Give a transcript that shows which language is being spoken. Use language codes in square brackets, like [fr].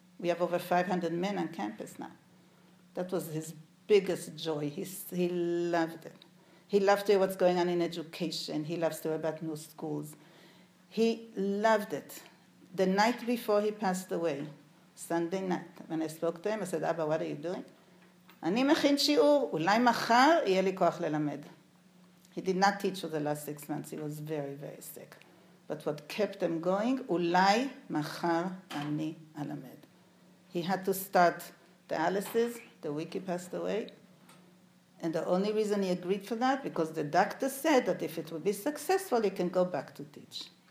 [en] We have over 500 men on campus now. That was his biggest joy. He loved it. He loved to hear what's going on in education. He loves to hear about new schools. He loved it. The night before he passed away, Sunday night, when I spoke to him, I said, Abba, what are you doing? [he] אני מכין שיעור, אולי מחר יהיה לי כוח ללמד. [en] He did not teach for the last 6 months. He was very, very sick. But what kept him going, [he] אולי מחר אני אלמד. [en] He had to start dialysis the week he passed away. And the only reason he agreed for that, because the doctor said that if it would be successful, he can go back to teach.